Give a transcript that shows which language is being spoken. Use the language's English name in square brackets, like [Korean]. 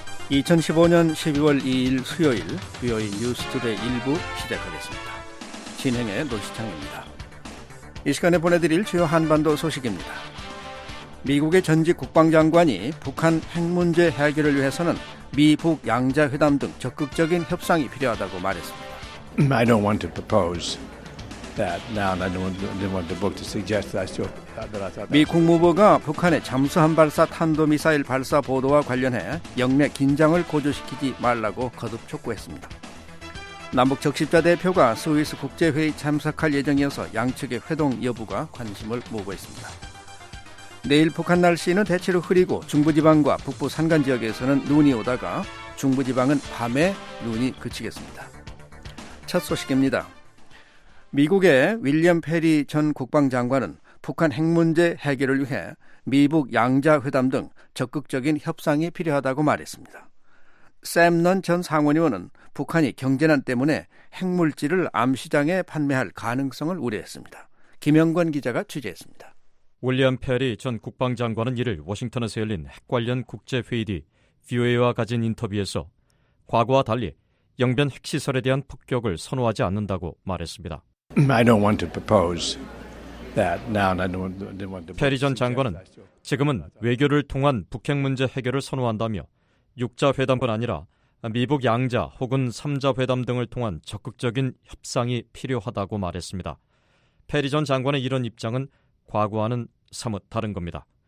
[Korean] 2015년 12월 2일 수요일 BOA 뉴스 투데이 1부 시작하겠습니다. 진행의 노시창입니다. 이 시간에 보내드릴 주요 한반도 소식입니다. 미국의 전직 국방장관이 북한 핵 문제 해결을 위해서는 미북 양자회담 등 적극적인 협상이 필요하다고 말했습니다. [English] I don't want to propose that now and I don't want to book to suggest that I still... [Korean] 미 국무부가 북한의 잠수함 발사 탄도미사일 발사 보도와 관련해 영내 긴장을 고조시키지 말라고 거듭 촉구했습니다. 남북 적십자 대표가 스위스 국제회의 참석할 예정이어서 양측의 회동 여부가 관심을 모으고 있습니다. 내일 북한 날씨는 대체로 흐리고 중부지방과 북부 산간지역에서는 눈이 오다가 중부지방은 밤에 눈이 그치겠습니다. 첫 소식입니다. 미국의 윌리엄 페리 전 국방장관은 북한 핵 문제 해결을 위해 미북 양자회담 등 적극적인 협상이 필요하다고 말했습니다. 샘 넌 전 상원의원은 북한이 경제난 때문에 핵물질을 암시장에 판매할 가능성을 우려했습니다. 김영권 기자가 취재했습니다. 윌리엄 페리 전 국방장관은 이를 워싱턴에서 열린 핵 관련 국제회의 뒤 VOA와 가진 인터뷰에서 과거와 달리 영변 핵시설에 대한 폭격을 선호하지 않는다고 말했습니다. [English] I don't want to propose that now and I don't want to... [Korean] 페리 전 장관은 지금은 외교를 통한 북핵 문제 해결을 선호한다며 6자회담뿐 아니라 미북 양자 혹은 3자회담 등을 통한 적극적인 협상이 필요하다고 말했습니다. 페리 전 장관의 이런 입장은 과거와는 사뭇 다른 겁니다.